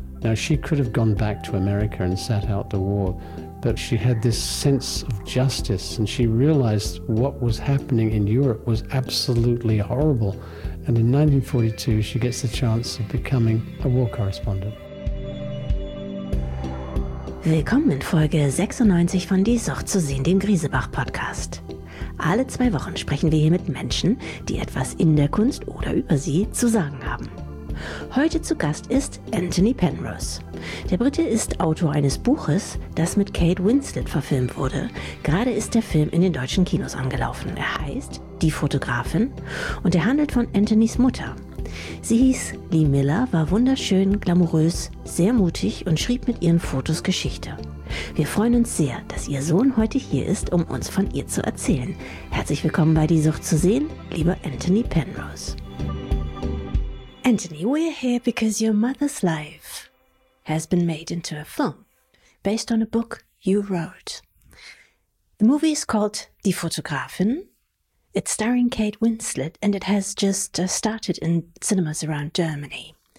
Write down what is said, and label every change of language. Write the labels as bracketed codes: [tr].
[en] Now, she could have gone back to America and sat out the war, but she had this sense of justice and she realized what was happening in Europe was absolutely horrible. And in 1942, she gets the chance of becoming a war correspondent. [de] Willkommen in Folge 96 von Die Sucht zu sehen, dem Griesebach-Podcast. Alle zwei Wochen sprechen wir hier mit Menschen, die etwas in der Kunst oder über sie zu sagen haben. Heute zu Gast ist Anthony Penrose. Der Brite ist Autor eines Buches, das mit Kate Winslet verfilmt wurde. Gerade ist der Film in den deutschen Kinos angelaufen. Er heißt Die Fotografin und er handelt von Anthonys Mutter. Sie hieß Lee Miller, war wunderschön, glamourös, sehr mutig und schrieb mit ihren Fotos Geschichte. Wir freuen uns sehr, dass ihr Sohn heute hier ist, um uns von ihr zu erzählen. Herzlich willkommen bei Die Sucht zu sehen, lieber Anthony Penrose. [en] Anthony, we're here because your mother's life has been made into a film based on a book you wrote. The movie is called Die Fotografin. It's starring Kate Winslet and it has just started in cinemas around Germany.